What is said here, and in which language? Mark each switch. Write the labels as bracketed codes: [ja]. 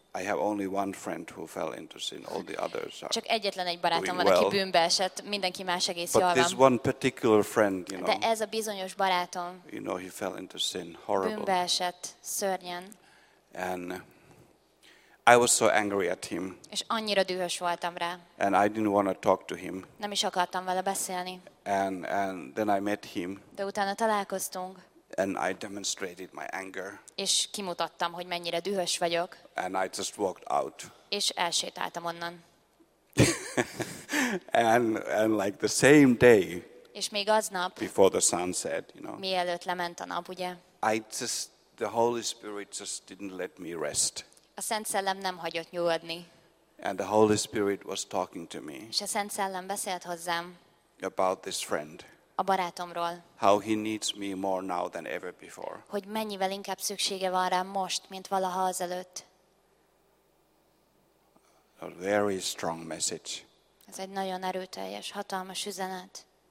[en] I have only one friend who fell into sin. All the others are. [hu] Csak egyetlen egy barátom van, aki bűnbe esett. Mindenki más egész jól van. [en] But this one particular friend, you know. [hu] De ez a bizonyos barátom. [en] You know, he fell into sin. Horrible. [hu] Bűnbe esett, szörnyen. [en] And I was so angry at him. [hu] És annyira dühös voltam rá. [en] And I didn't want to talk to him. [hu] Nem is akartam vele beszélni. [en] And then I met him. [hu] De utána találkoztunk. [en] And I demonstrated my anger. [hu] És kimutattam, hogy mennyire dühös vagyok. [en] And I just walked out. [hu] És elsétáltam onnan. [en] And like the same day. [hu] És még aznap. [en] Before the sunset, you know. [hu] Mielőtt lement a nap, ugye? [en] The Holy Spirit just didn't let me rest. [hu] A Szent Szellem nem hagyott nyugodni. [en] And the Holy Spirit was talking to me. [hu] És a Szent Szellem beszélt hozzám. [en] About this friend. [hu] A barátomról. [en] How he needs me more now than ever before. [hu] Hogy mennyivel inkább szüksége van rám most, mint valaha azelőtt. [en] A very strong message. [hu] Ez egy nagyon erőteljes, hatalmas üzenet.